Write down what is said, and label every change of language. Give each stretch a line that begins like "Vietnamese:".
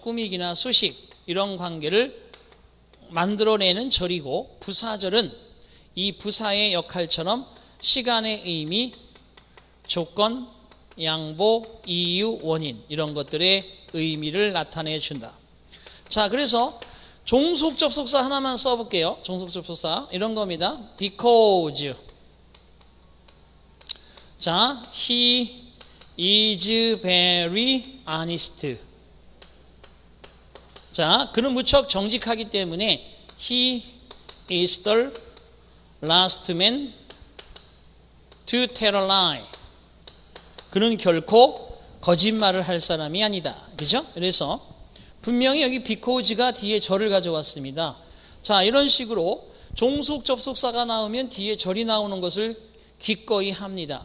Korean: 꾸미기나 수식 이런 관계를 만들어내는 절이고 부사절은 이 부사의 역할처럼 시간의 의미, 조건, 양보, 이유, 원인 이런 것들의 의미를 나타내준다. 자, 그래서 종속접속사 하나만 써볼게요. 종속접속사 이런 겁니다.
English: Because 자, He is very honest.
Korean: 자, 그는 무척 정직하기 때문에
English: He is the last man to tell a lie.
Korean: 그는 결코 거짓말을 할 사람이 아니다. 그죠? 그래서 분명히 여기 because가 뒤에 절을 가져왔습니다. 자, 이런 식으로 종속 접속사가 나오면 뒤에 절이 나오는 것을 기꺼이 합니다.